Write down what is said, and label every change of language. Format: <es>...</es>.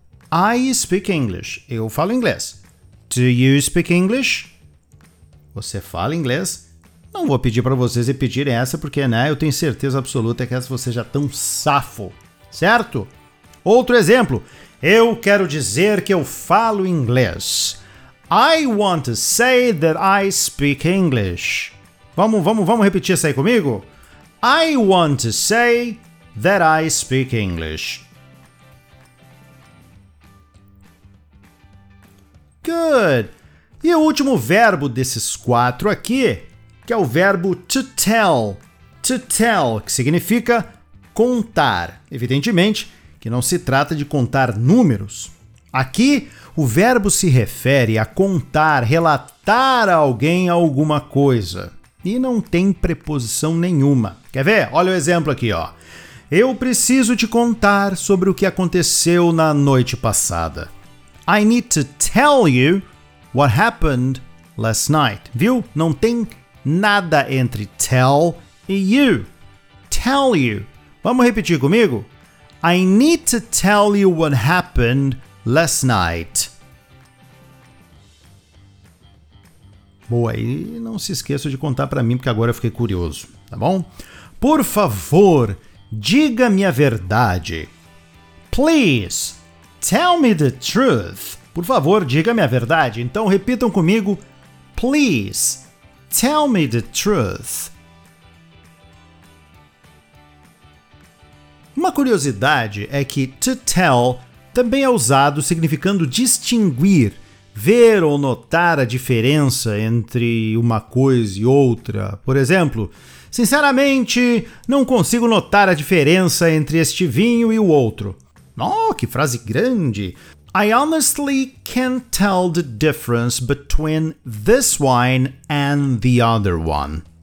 <en>I speak English.</en> <pt>Eu falo inglês.</pt> <en>Do you speak English?</en> <pt>Você fala inglês? Não vou pedir para vocês repetirem essa, porque né, eu tenho certeza absoluta que essa você já é tão safo, certo? Outro exemplo. Eu quero dizer que eu falo inglês.</pt> <en>I want to say that I speak English.</en> <pt>Vamos repetir isso aí comigo?</pt> <en>I want to say that I speak English. Good!</en> <pt>E o último verbo desses quatro aqui, que é o verbo to tell. to tell, que significa contar. Evidentemente que não se trata de contar números. Aqui, o verbo se refere a contar, relatar a alguém alguma coisa. E não tem preposição nenhuma. Quer ver? Olha o exemplo aqui, ó. Eu preciso te contar sobre o que aconteceu na noite passada.</pt> <en>I need to tell you what happened last night.</en> <pt>Viu? Não tem nada entre tell e you. Tell you. Vamos repetir comigo?</pt> <en>I need to tell you what happened last night.</en> <pt>Boa, e não se esqueça de contar para mim, porque agora eu fiquei curioso, tá bom? Por favor, diga-me a verdade.</pt> <en>Please, tell me the truth.</en> <pt>Por favor, diga-me a verdade. Então, repitam comigo.</pt> <en>Please, tell me the truth.</en> <pt>Uma curiosidade é que to tell também é usado significando distinguir, ver ou notar a diferença entre uma coisa e outra. Por exemplo, sinceramente, não consigo notar a diferença entre este vinho e o outro. Oh, que frase grande!</pt> <en>I honestly can't tell the difference between this wine and the other one.</en>